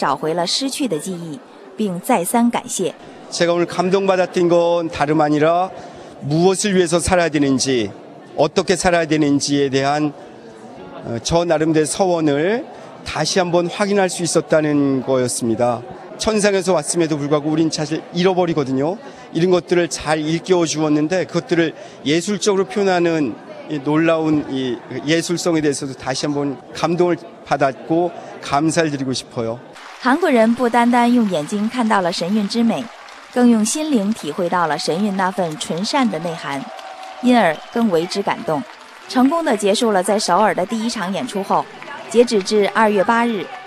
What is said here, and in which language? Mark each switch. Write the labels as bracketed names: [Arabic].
[Chinese] 积极从事宗教及社会活动的万宗和尚说，神韵演出让他找回了失去的记忆，并再三感谢。 [Korean] 제가 오늘 감동받았던 건 다름 아니라 무엇을 위해서 살아야 되는지 어떻게 살아야 되는지에 대한 저 나름대로 서원을 다시 한번 확인할 수 있었다는 거였습니다. 천상에서 왔음에도 불구하고 우린 사실 잃어버리거든요. 이런 것들을 잘 일깨워 주었는데 그것들을 예술적으로 표현하는 이 놀라운 이 예술성에 대해서도 다시 한번 감동을 받았고 감사를 드리고 싶어요. [Chinese] 한국人不单单用眼睛看到了神韵之美，更用心灵体会到了神韵那份纯善的内涵，因而更为之感动。成功的结束了在首尔的第一场演出后，截止至2月8日，